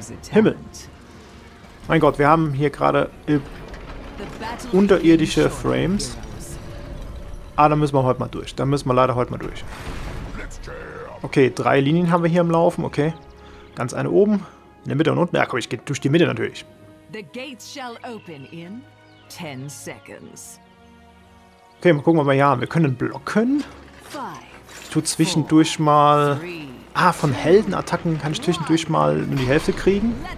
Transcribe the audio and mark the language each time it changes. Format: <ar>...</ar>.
<de>Himmel. Mein Gott, wir haben hier gerade unterirdische Frames. Da müssen wir heute mal durch. Da müssen wir leider heute mal durch. Okay, drei Linien haben wir hier im Laufen, okay. Ganz eine oben, in der Mitte und unten. Ja, komm, ich gehe durch die Mitte natürlich.</de> <en>The gates shall open in 10 seconds.</en> <de>Okay, mal gucken, was wir hier haben. Wir können blocken. Ich tue zwischendurch mal... von Heldenattacken kann ich zwischendurch mal nur die Hälfte kriegen.</de>